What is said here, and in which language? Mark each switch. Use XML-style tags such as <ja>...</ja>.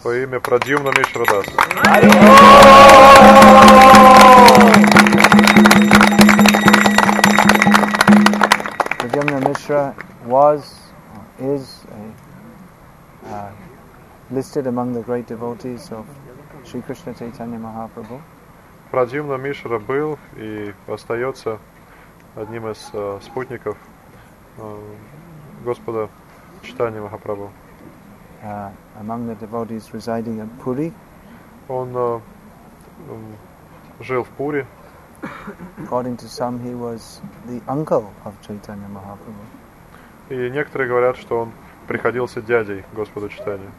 <ru>Твое имя Прадьюмна Мишра Дас.</ru> <en>Pradyumna Mishra was, is a listed among the great devotees of Sri Krishna Chaitanya Mahaprabhu.</en> <ru>Pradyumna Mishra был и остается одним из спутников Господа Чайтаньи Махапрабху.</ru> <en>Among the devotees residing in Puri.</en> <ru>Он жил в Пури.</ru> <en>According to some, he was the uncle of Chaitanya Mahaprabhu.</en> <ru>И некоторые говорят, что он приходился дядей Господа Чайтаньи.</ru>